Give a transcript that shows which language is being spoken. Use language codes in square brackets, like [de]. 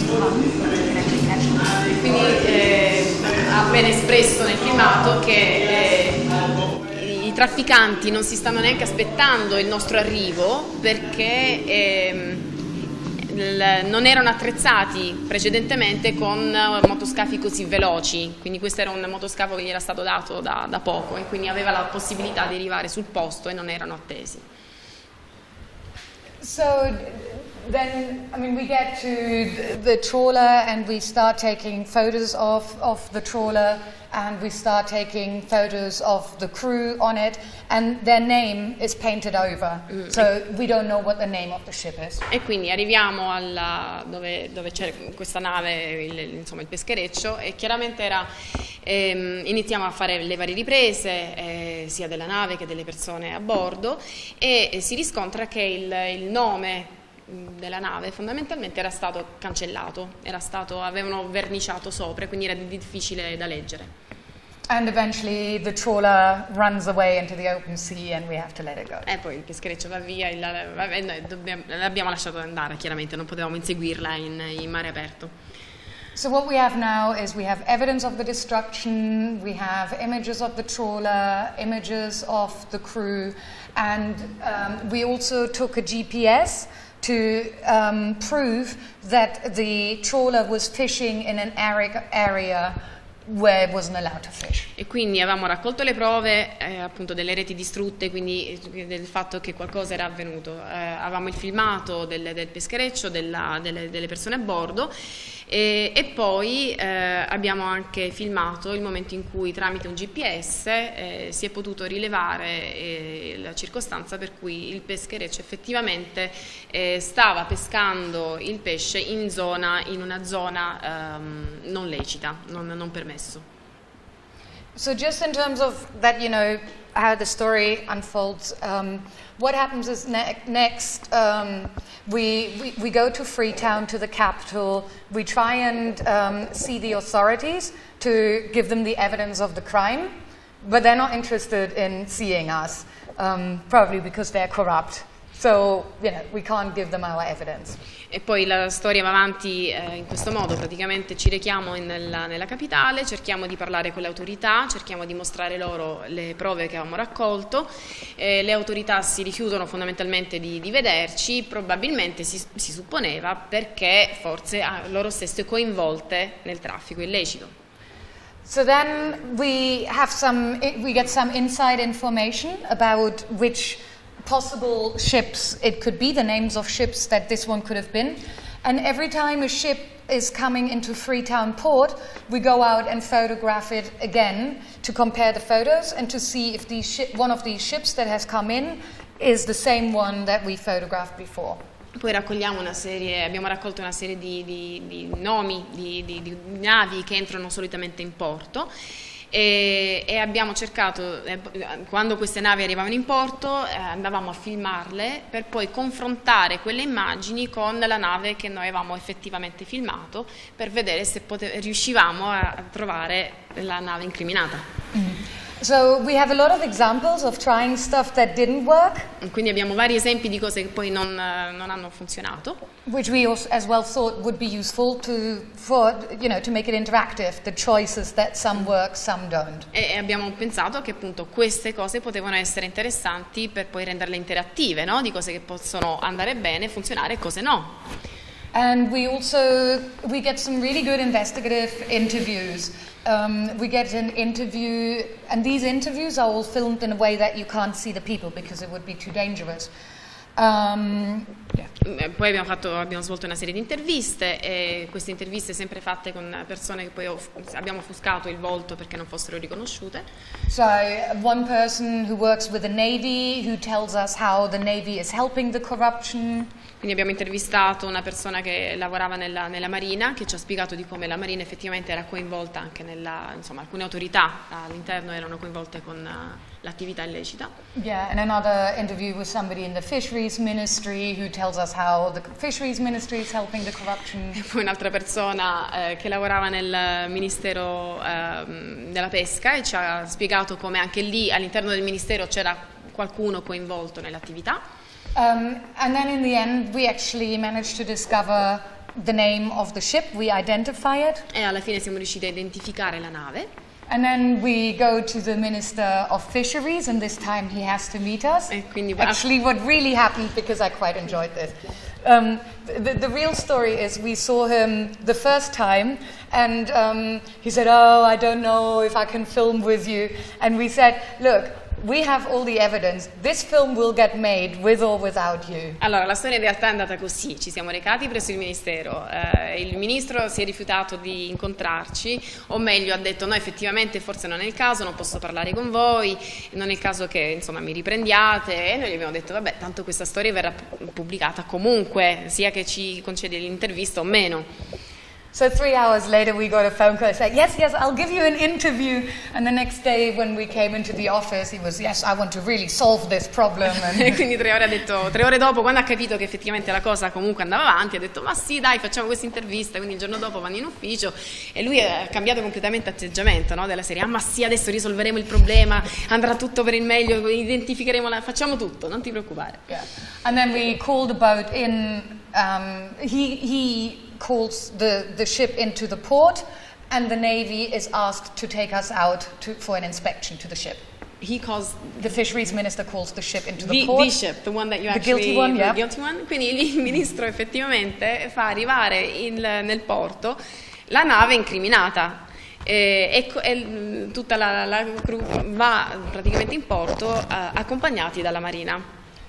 [it] Quindi ha ben espresso nel filmato che i trafficanti non si stanno neanche aspettando il nostro arrivo, perché non erano attrezzati precedentemente con motoscafi così veloci. Quindi questo era un motoscafo che gli era stato dato da poco, e quindi aveva la possibilità di arrivare sul posto e non erano attesi. [en] So then, I mean, we get to the trawler and we start taking photos of the trawler, and we start taking photos of the crew on it, and their name is painted over. So we don't know what the name of the ship is. [it] E quindi arriviamo alla dove c'è questa nave, insomma il peschereccio, e chiaramente era iniziamo a fare le varie riprese sia della nave che delle persone a bordo, e si riscontra che il nome della nave fondamentalmente era stato cancellato, avevano verniciato sopra, quindi era difficile da leggere. [en] And eventually the trawler runs away into the open sea and we have to let it go. [it] E poi il peschereccio va via, l'abbiamo lasciato andare, chiaramente non potevamo inseguirla in mare aperto. [en] So what we have now is we have evidence of the destruction, we have images of the trawler, images of the crew, and we also took a GPS to prove that the trawler was fishing in an arid area where it wasn't allowed to fish. [it] E quindi avevamo raccolto le prove appunto delle reti distrutte, quindi del fatto che qualcosa era avvenuto. Avevamo il filmato del peschereccio, delle persone a bordo, e poi abbiamo anche filmato il momento in cui tramite un GPS si è potuto rilevare la circostanza per cui il peschereccio effettivamente stava pescando il pesce in una zona non lecita, non permesso. [en] So just in terms of that, you know, how the story unfolds, what happens is next, we go to Freetown, to the capital, we try and see the authorities to give them the evidence of the crime, but they're not interested in seeing us, probably because they're corrupt. So, you know, we can't give them our evidence. [it] E poi la storia va avanti in questo modo, praticamente ci rechiamo nella capitale, cerchiamo di parlare con le autorità, cerchiamo di mostrare loro le prove che avevamo raccolto, le autorità si rifiutano fondamentalmente di vederci, probabilmente si supponeva perché forse loro stesse coinvolte nel traffico illecito. [en] So then we get some inside information about which possible ships it could be, the names of ships that this one could have been, and every time a ship is coming into Freetown port, we go out and photograph it again to compare the photos and to see if one of these ships that has come in is the same one that we photographed before. [it] Poi raccogliamo abbiamo raccolto una serie di nomi di navi che entrano solitamente in porto. E abbiamo cercato, quando queste navi arrivavano in porto, andavamo a filmarle per poi confrontare quelle immagini con la nave che noi avevamo effettivamente filmato per vedere se riuscivamo a trovare la nave incriminata. [en] So we have a lot of examples of trying stuff that didn't work. [it] Quindi abbiamo vari esempi di cose che poi non hanno funzionato. [en] Which we also as well thought would be useful to make it interactive, the choices that some work, some don't. [it] E abbiamo pensato che appunto queste cose potevano essere interessanti per poi renderle interattive, no? Di cose che possono andare bene, funzionare e cose no. [en] And we get some really good investigative interviews. We get an interview, and these interviews are all filmed in a way that you can't see the people because it would be too dangerous. [it] Poi abbiamo svolto una serie di interviste, e queste interviste sempre fatte con persone che poi abbiamo offuscato il volto perché non fossero riconosciute. [en] So one person who works with the Navy who tells us how the Navy is helping the corruption. [it] Quindi abbiamo intervistato una persona che lavorava nella Marina, che ci ha spiegato di come la Marina effettivamente era coinvolta anche nella, insomma, alcune autorità all'interno erano coinvolte con l'attività illecita. [en] Yeah, and another interview with somebody in the Fisheries Ministry who tells us how the Fisheries Ministry is helping the corruption. [it] E poi un'altra persona che lavorava nel Ministero della Pesca e ci ha spiegato come anche lì all'interno del Ministero c'era qualcuno coinvolto nell'attività. [en] And then in the end we actually managed to discover the name of the ship, we identify it. [it] E alla fine siamo riusciti a identificare la nave. [en] And then we go to the Minister of Fisheries and this time he has to meet us. [it] E quindi [en] actually what really happened, because I quite enjoyed this, the real story is we saw him the first time and he said, oh, I don't know if I can film with you. And we said, look, we have all the evidence. This film will get made with or without you. [it] Allora, la storia in realtà è andata così. Ci siamo recati presso il ministero. Il ministro si è rifiutato di incontrarci, o meglio, ha detto, no, effettivamente, forse non è il caso, non posso parlare con voi, non è il caso che, insomma, mi riprendiate. E noi gli abbiamo detto, vabbè, tanto questa storia verrà pubblicata comunque, sia che ci concedi l'intervista o meno. [en] So 3 hours later we got a phone call saying, yes, yes, I'll give you an interview. And the next day when we came into the office he was, yes, I want to really solve this problem. [it] E quindi tre ore dopo, quando ha capito che effettivamente la cosa comunque andava avanti, ha detto, ma sì, dai, facciamo questa intervista. Quindi il giorno dopo vanno in ufficio e lui ha cambiato completamente atteggiamento, no, della serie, ah, ma sì, adesso risolveremo il problema, andrà tutto per il meglio, identificheremo, facciamo tutto, non ti preoccupare. [en] Yeah. And then we called the boat in, he calls the ship into the port and the Navy is asked to take us out for an inspection to the ship. He calls... The Fisheries Minister calls the ship into the port. The ship, the one that you the actually... The guilty one, the yeah. Guilty one. [it] Quindi il ministro effettivamente fa arrivare nel porto la nave incriminata. E tutta la crew va praticamente in porto accompagnati dalla Marina.